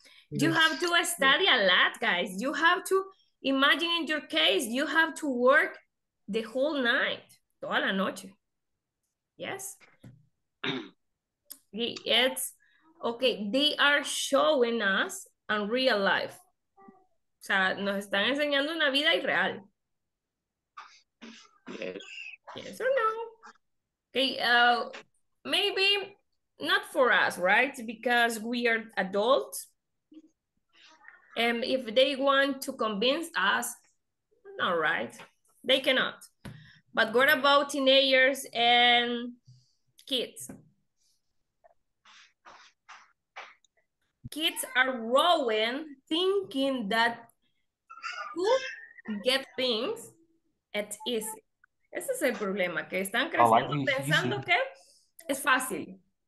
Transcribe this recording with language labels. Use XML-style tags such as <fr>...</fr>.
<en>You have to study a lot, guys. You have to, imagine in your case, you have to work the whole night,</en> <es>toda la noche.</es> <en>Yes? It's, okay, they are showing us a real life.</en> <es>O sea, nos están enseñando una vida irreal.</es> <en>Yes. Yes or no? Okay, maybe not for us, right? Because we are adults. And if they want to convince us, not right. They cannot. But what about teenagers and kids? Kids are growing, thinking that who get things, it's easy.</en> <es>Ese es el problema, que están creciendo pensando que es fácil.</es>